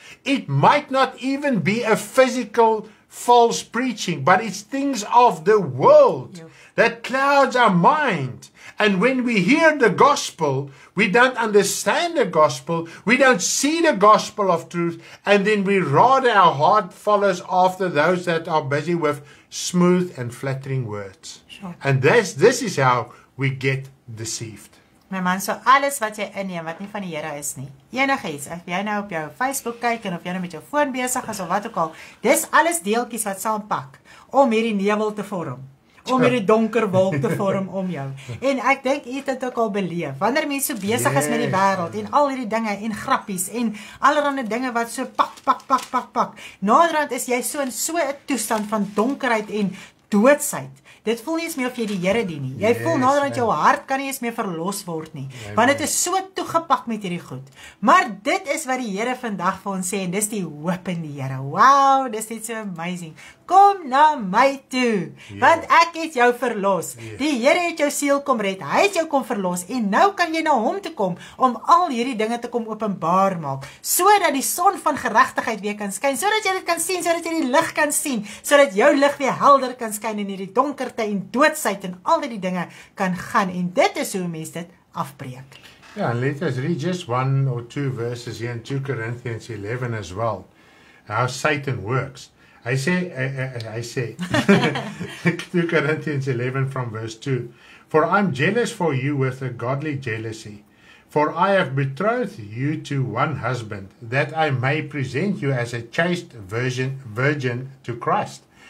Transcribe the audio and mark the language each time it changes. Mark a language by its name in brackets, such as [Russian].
[English] It might not even be a physical false preaching, but it's things of the world that clouds our mind. And when we hear the gospel, we don't understand the gospel, we don't see the gospel of truth, and then we rather our heart follows after those that are busy with smooth and flattering words. Sure. And this is how we get deceived. [Afrikaans] My man, so alles wat jy inneem, wat nie van die Here is nie, enige iets, of jy nou op jou Facebook kyk, en of jy nou met jou phone besig is, of wat ook al, dis alles deeltjies wat saampak, om hierdie nevel te vorm, om hierdie donker wolk te vorm om jou. En ek dink jy het ook al beleef, wanneer mense so besig is met die wêreld en al hierdie dinge en grappies en allerlei dinge wat so pak. Naderhand is jy so in so 'n toestand van donkerheid en doodsheid. Dit voel nie eens meer of jy die Here dien nie. Jy voel naderhand jou hart kan nie eens meer verlos word nie. Want dit is so toegepak met hierdie goed. Maar dit is wat die Here vandag vir ons sê en dis die hoop in die Here. Wow, dis net so amazing. Kom na my toe, want ek het jou verlos. Die Here het jou siel kom red, hy het jou kom verlos en nou kan jy na hom toe kom om al hierdie dinge te kom openbaar maak, sodat die son van geregtigheid weer kan skyn, sodat jy dit kan sien, sodat jy die lig kan sien, sodat jou lig weer helder kan skyn in hierdie donkerte en doodsheid en al die dinge kan gaan en dit is hoe mense dit afbreek. [English] Ja, and let us read just one or two verses here in 2 Corinthians 11 as well, how Satan works. I say, 2 Corinthians 11 from verse 2, for I'm jealous for you with a godly jealousy, for I have betrothed you to one husband, that I may present you as a chaste virgin to Christ.